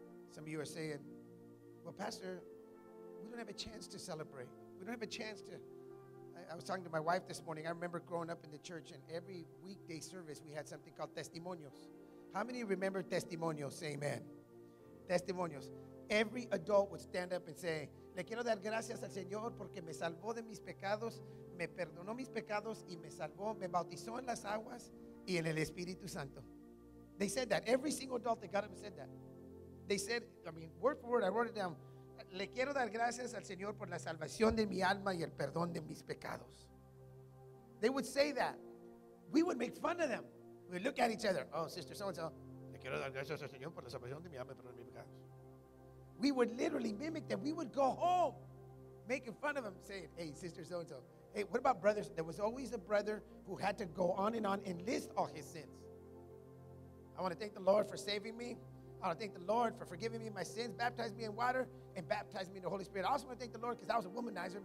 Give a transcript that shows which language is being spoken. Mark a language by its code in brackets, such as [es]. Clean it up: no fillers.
[en] Some of you are saying, well, Pastor, we don't have a chance to celebrate. We don't have a chance to. I was talking to my wife this morning. I remember growing up in the church, and every weekday service, we had something called testimonios. How many remember testimonios? Amen. Testimonios. Every adult would stand up and say, [es] le quiero dar gracias al Señor porque me salvó de mis pecados, me perdonó mis pecados y me salvó, me bautizó en las aguas y en el Espíritu Santo. [en] They said that. Every single adult that got up and said that. They said, I mean, word for word, I wrote it down. [es] Le quiero dar gracias al Señor por la salvación de mi alma y el perdón de mis pecados. [en] They would say that. We would make fun of them. We would look at each other. Oh, sister so-and-so. [es] Le quiero dar gracias al Señor por la salvación de mi alma y el perdón de mis pecados. [en] We would literally mimic them. We would go home making fun of them, saying, hey, sister so-and-so. Hey, what about brothers? There was always a brother who had to go on and list all his sins. I want to thank the Lord for saving me. I want to thank the Lord for forgiving me of my sins, baptizing me in water, and baptizing me in the Holy Spirit. I also want to thank the Lord because I was a womanizer.